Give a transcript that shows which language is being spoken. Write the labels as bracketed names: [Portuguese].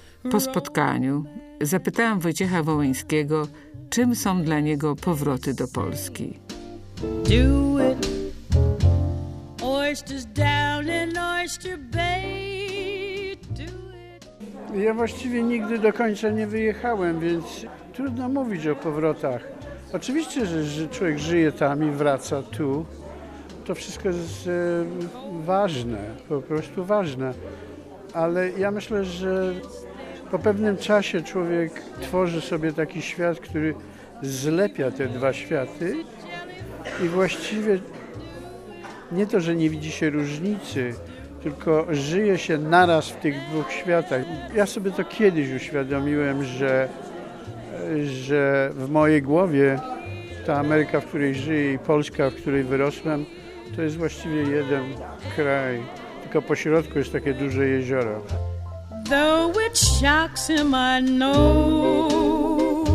[Polish] Po spotkaniu zapytałam Wojciecha Wołyńskiego, czym są dla niego powroty do Polski. [English] Do it. Oysters down in Oyster Bay. Do it. [Polish] Ja właściwie nigdy do końca nie wyjechałem, więc trudno mówić o powrotach. Oczywiście, że człowiek żyje tam i wraca tu. To wszystko jest ważne, po prostu ważne. Ale ja myślę, że po pewnym czasie człowiek tworzy sobie taki świat, który zlepia te dwa światy i właściwie nie to, że nie widzi się różnicy, tylko żyje się naraz w tych dwóch światach. Ja sobie to kiedyś uświadomiłem, że w mojej głowie ta Ameryka, w której żyję i Polska, w której wyrosłem, to jest właściwie jeden kraj, tylko po środku jest takie duże jezioro. [English] Though it shocks him, I know.